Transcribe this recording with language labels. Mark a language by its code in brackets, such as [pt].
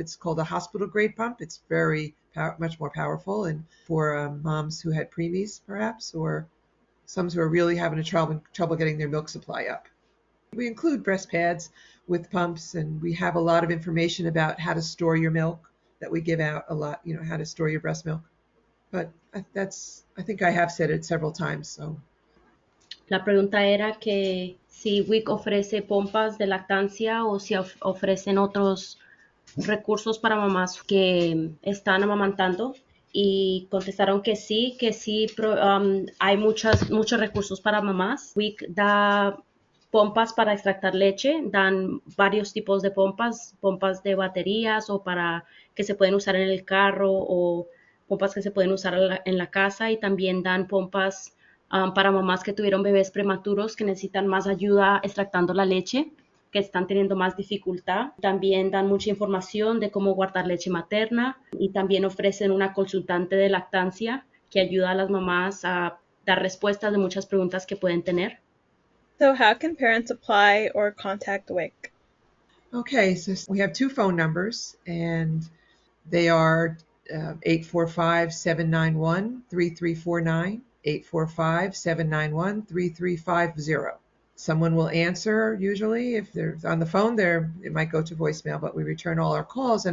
[en] It's called a hospital-grade pump. It's very much more powerful, and for moms who had preemies, perhaps, or some who are really having a trouble getting their milk supply up. We include breast pads with pumps, and we have a lot of information about how to store your milk. That we give out a lot, you know, how to store your breast milk. But that's, I think I have said it several times, so. [es] La pregunta era que si WIC ofrece pompas de lactancia o si ofrecen otros recursos para mamás que están amamantando. Y contestaron que sí, hay muchos recursos para mamás. WIC da pompas para extractar leche, dan varios tipos de pompas, pompas de baterías o para que se pueden usar en el carro o pompas que se pueden usar en la casa y también dan pompas para mamás que tuvieron bebés prematuros que necesitan más ayuda extractando la leche, que están teniendo más dificultad. También dan mucha información de cómo guardar leche materna y también ofrecen una consultante de lactancia que ayuda a las mamás a dar respuestas de muchas preguntas que pueden tener. [en] So how can parents apply or contact WIC? Okay, so we have two phone numbers, and they are 845-791-3349, 845-791-3350. Someone will answer, usually, if they're on the phone there, it might go to voicemail, but we return all our calls.